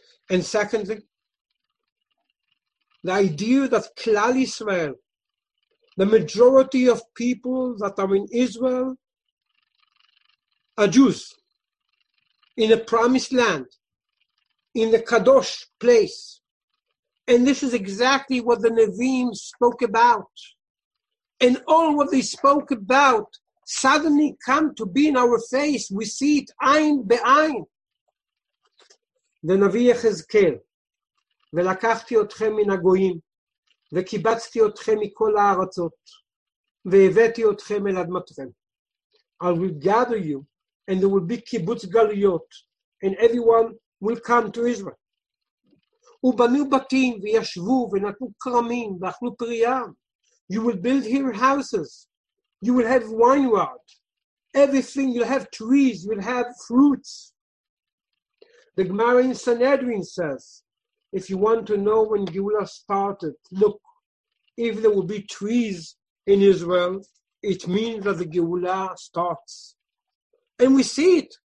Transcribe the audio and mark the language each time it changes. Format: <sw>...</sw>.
<en>And secondly, the idea that Klal Yisrael, the majority of people that are in Israel, are Jews in a promised land, in the Kadosh place. And this is exactly what the Nevi'im spoke about. And all what they spoke about suddenly come to be in our face. We see it ayin be'ayin.</en> <he>The Navi Yechezkel, ולקחתי אתכם מן הגויים, וקיבצתי אתכם מכל הארצות, והבאתי אתכם אל אדמתכם.</he> <en>I will gather you, and there will be kibbutz galuyot, and everyone will come to Israel.</en> <he>ובנו בתים, וישבו, ונתנו כרמים, ואכלו פריים.</he> <en>You will build here houses. You will have vineyard. Everything, you'll have trees, you'll have fruits. The Gemara in Sanhedrin says, if you want to know when Geulah started, look, if there will be trees in Israel, it means that the Geulah starts. And we see it.</en>